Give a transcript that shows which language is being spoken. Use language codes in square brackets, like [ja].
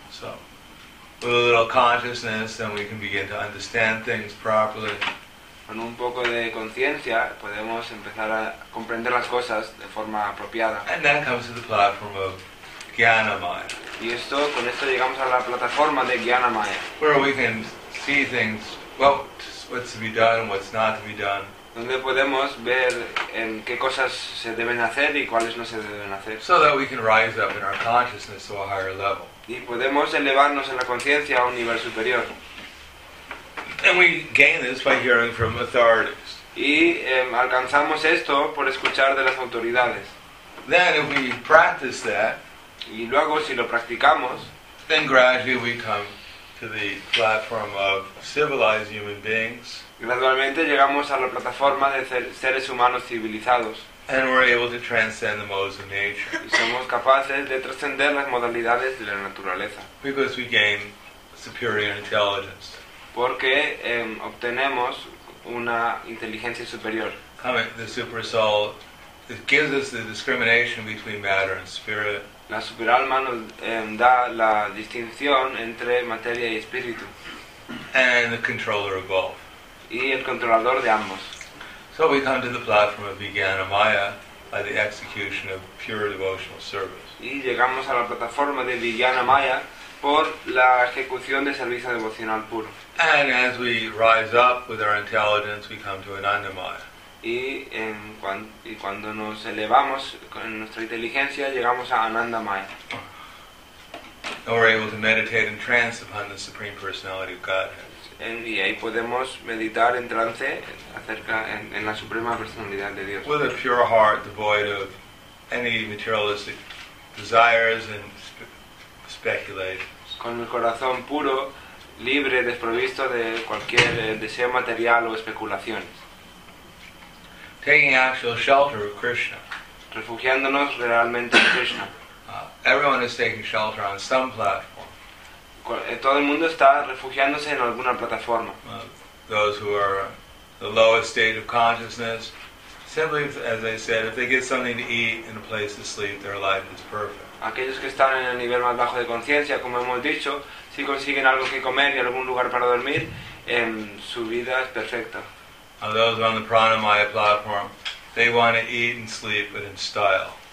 [en] So with a little consciousness, then we can begin to understand things properly. [es] Con un poco de conciencia podemos empezar a comprender las cosas de forma apropiada. [en] And then comes to the platform of gyanamaya. [es] Y esto, con esto llegamos a la plataforma de gyanamaya. [en] Where we can see things, well, what's to be done, what's not to be done. [es] Donde podemos ver en qué cosas se deben hacer y cuáles no se deben hacer. [en] So that we can rise up in our consciousness to a higher level. [es] Y podemos elevarnos en la conciencia a un nivel superior. [en] And we gain this by hearing from authorities. [es] Y alcanzamos esto por escuchar de las autoridades. [en] Then if we practice that, [es] y luego si lo practicamos, [en] then gradually we come to the platform of civilized human beings. [es] Gradualmente llegamos a la plataforma de seres humanos civilizados. [en] And we're able to transcend the modes of nature. [es] Y somos capaces de trascender las modalidades de la naturaleza. [en] Because we gain superior intelligence. [es] Porque obtenemos una inteligencia superior. [en] Coming, the super soul, it gives us the discrimination between matter and spirit. [es] La superalma nos da la distinción entre materia y espíritu. [en] And the controller of both. [es] Y el controlador de ambos. [en] So we come to the platform of Vijnanamaya by the execution of pure devotional service. [es] Y llegamos a la plataforma de Vijnanamaya por la ejecución de servicio devocional puro. [en] And as we rise up with our intelligence, we come to Anandamaya. [es] Y cuando nos elevamos con nuestra inteligencia, llegamos a Anandamaya. [en] And we're able to meditate in trance upon the Supreme Personality of Godhead. [es] Y ahí podemos meditar en trance acerca en la suprema personalidad de Dios. [en] With a pure heart devoid of any materialistic desires and speculations. [es] Con el corazón puro, libre, desprovisto de cualquier deseo material o especulaciones. [en] Taking actual shelter of Krishna. [es] Refugiándonos realmente en Krishna. [en] Everyone is taking shelter on some platform. [es] Todo el mundo está refugiándose en alguna plataforma. [en] Those who are the lowest state of consciousness, simply, as I said, if they get something to eat and a place to sleep, their life is perfect. [es] Aquellos que están en el nivel más bajo de conciencia, como hemos dicho, si consiguen algo que comer y algún lugar para dormir, su vida es perfecta. [en] Those on the Pranamaya platform, they want to eat and sleep, but in style.